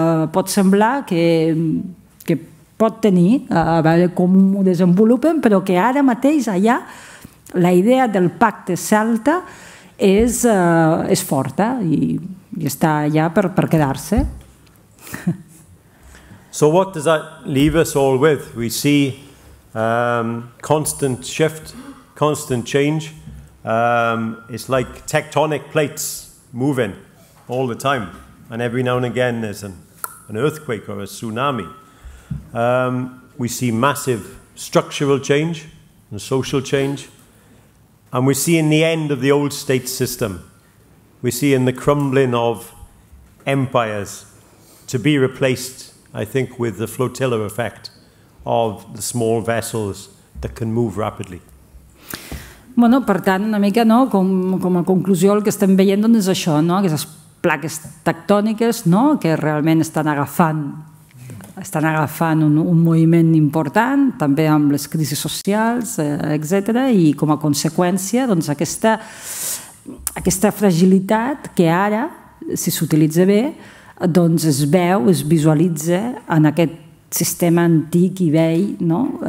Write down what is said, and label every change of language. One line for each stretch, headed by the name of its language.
Catalan: Pot semblar que pot tenir, a veure com ho desenvolupen, però que ara mateix allà la idea del pacte celta és forta i està allà per quedar-se.
English: So what does that leave us all with? We see constant shift, constant change. It's like tectonic plates moving all the time. And every now and again there's an earthquake or a tsunami. We see massive structural change and social change. And we see in the end of the old state system, we see in the crumbling of empires to be replaced, I think, with the flotilla effect of the small vessels that can move rapidly.
Catalan: Bueno, per tant, una mica, no, com a conclusió, el que estem veient doncs, és això, no? Aquestes plaques tectòniques, no? Que realment estan agafant un moviment important, també amb les crisis socials, etc. I com a conseqüència, doncs, aquesta fragilitat que ara, si s'utilitza bé, doncs es veu, es visualitza en aquest sistema antic i vell, no?